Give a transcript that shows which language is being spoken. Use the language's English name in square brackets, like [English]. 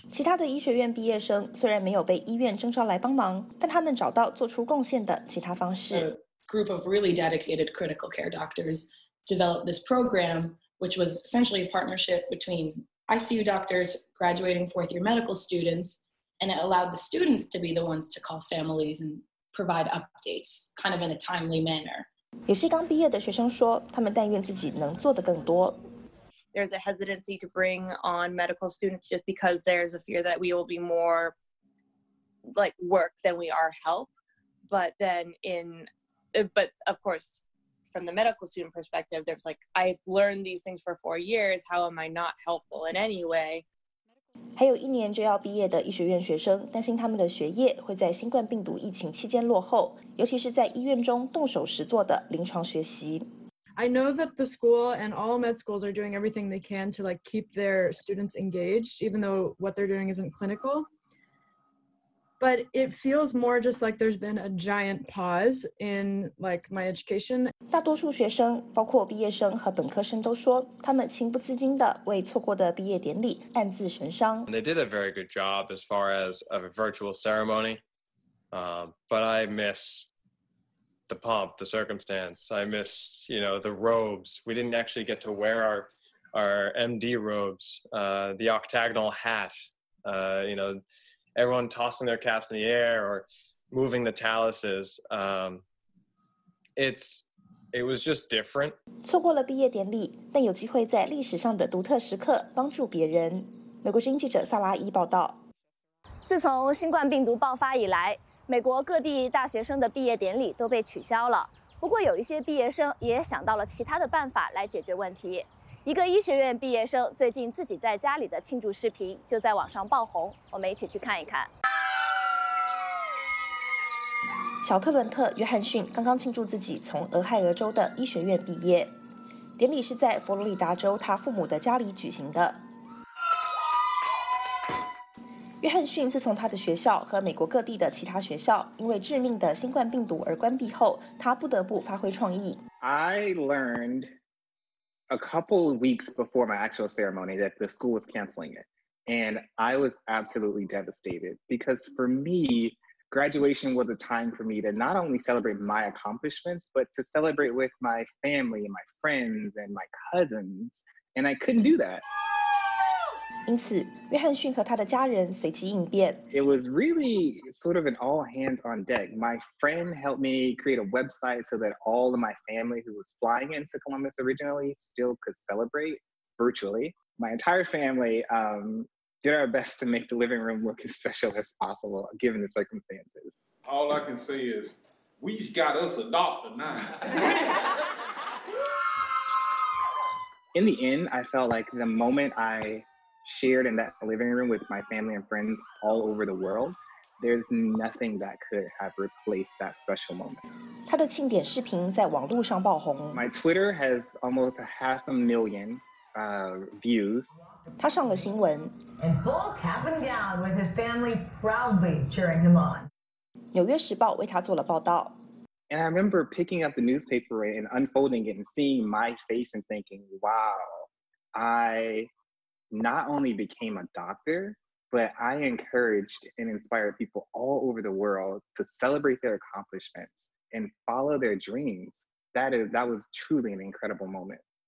[Chinese] 其他的医学院毕业生虽然没有被医院征召来帮忙，但他们找到做出贡献的其他方式。 [English] A group of really dedicated critical care doctors developed this program, which was essentially a partnership between ICU doctors, graduating fourth year medical students, and it allowed the students to be the ones to call families and provide updates kind of in a timely manner. [Chinese] 有些刚毕业的学生说，他们但愿自己能做得更多。 [English] There's a hesitancy to bring on medical students just because there's a fear that we will be more like work than we are help. But then but of course, from the medical student perspective, there's like, I've learned these things for 4 years. How am I not helpful in any way? [Chinese] 还有一年就要毕业的医学院学生担心他们的学业会在新冠病毒疫情期间落后，尤其是在医院中动手实做的临床学习。 [English] I know that the school and all med schools are doing everything they can to like keep their students engaged, even though what they're doing isn't clinical. But it feels more just like there's been a giant pause in like my education. [Chinese] 大多数学生，包括毕业生和本科生都说，他们情不自禁地为错过的毕业典礼暗自神伤。 [English] They did a very good job as far as a virtual ceremony, but I miss... the pomp, the circumstance. I miss, you know, the robes. We didn't actually get to wear our MD robes, the octagonal hat, you know, everyone tossing their caps in the air or moving the taluses. It was just different. [Chinese] 错过了毕业典礼，但有机会在历史上的独特时刻帮助别人。美国之音记者萨拉伊报道。自从新冠病毒爆发以来，美国各地大学生的毕业典礼都被取消了，不过有一些毕业生也想到了其他的办法来解决问题。一个医学院毕业生最近自己在家里的庆祝视频就在网上爆红，我们一起去看一看。小特伦特·约翰逊刚刚庆祝自己从俄亥俄州的医学院毕业，典礼是在佛罗里达州他父母的家里举行的。约翰逊自从他的学校和美国各地的其他学校因为致命的新冠病毒而关闭后，他不得不发挥创意。 [English] I learned a couple of weeks before my actual ceremony that the school was canceling it. And I was absolutely devastated because for me, graduation was a time for me to not only celebrate my accomplishments, but to celebrate with my family and my friends and my cousins. And I couldn't do that. [Chinese] 因此，约翰逊和他的家人随机应变。 [English] It was really sort of an all hands on deck. My friend helped me create a website so that all of my family who was flying into Columbus originally still could celebrate virtually. My entire family did our best to make the living room look as special as possible given the circumstances. All I can say is, we just got us a doctor now. In the end, I felt like the moment I shared in that living room with my family and friends all over the world, there's nothing that could have replaced that special moment. [Chinese] 他的庆典视频在网络上爆红。 [English] My Twitter has almost half a million views. [Chinese] 他上了新闻。 [English] In full cap and gown with his family proudly cheering him on. [Chinese] 纽约时报为他做了报道。 [English] And I remember picking up the newspaper and unfolding it and seeing my face and thinking, wow, I not only became a doctor, but I encouraged and inspired people all over the world to celebrate their accomplishments and follow their dreams. That was truly an incredible moment.